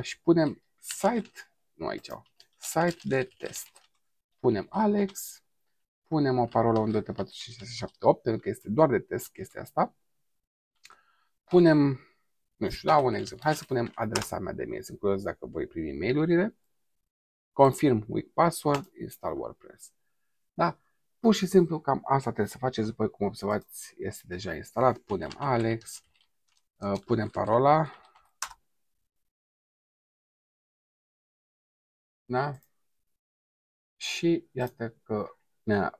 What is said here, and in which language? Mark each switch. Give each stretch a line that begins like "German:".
Romanian: Și punem site, nu aici, site de test. Punem Alex, punem o parolă 1, 2, 3, 4, 5, 6, 7, 8, pentru că este doar de test chestia asta. Punem, nu știu, dau un exemplu. Hai să punem adresa mea de mail. Sunt curios dacă voi primi mail-urile.
English: Confirm with password, install WordPress.
Romanian: Da? Pur și simplu, cam asta trebuie să faceți. După cum observați, este deja instalat. Punem Alex. Punem parola. Da? Și iată că... Da.